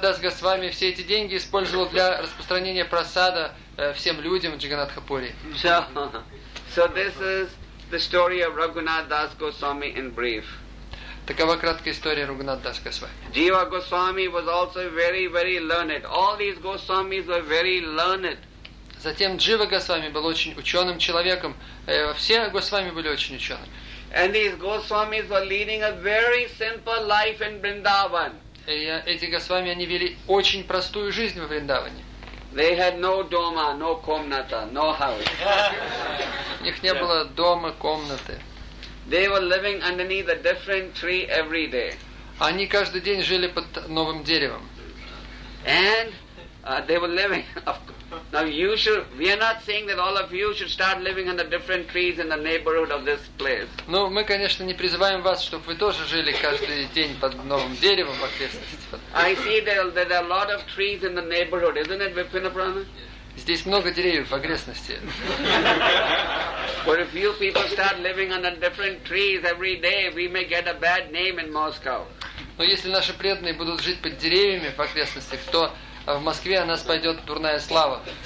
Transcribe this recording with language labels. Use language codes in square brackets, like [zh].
[ru] Das Goswami все эти деньги использовал для распространения просада всем людям в Джаганнатхапуре. [en] So this is the story of Raghunath Das Goswami in brief. [ru] Такова краткая история Raghunath Das Goswami. [en] Jiva Goswami was also very, very learned. All these Goswamis were very learned. [ru] Затем Джива Госвами был очень ученым человеком. Все Госвами были очень ученым. [en] And these Goswamis were leading a very simple life in Vrindavan. [ru] И эти Госвами, они вели очень простую жизнь во Вриндаване. [en] They had no [ru] doma, [en] no [ru] komnata, [en] no house. [ru] У них не было дома, комнаты. [en] They were living underneath a different tree every day. [ru] Они каждый день жили под новым деревом. [en] And they were living, of course. Now you should. We are not saying that all of you should start living under different trees in the neighborhood of this place. [ru] Ну, мы, конечно, не призываем вас, чтобы вы тоже жили каждый день под новым деревом в окрестностях. [en] I see that there are a lot of trees in the neighborhood, isn't it, Vipinaprana? [ru] Здесь много деревьев в окрестности. [en] But if you people start living under different trees every day, we may get a bad name in Moscow. [ru] Но если наши преданные будут жить под деревьями в окрестностях, то а в Москве у нас пойдет дурная слава.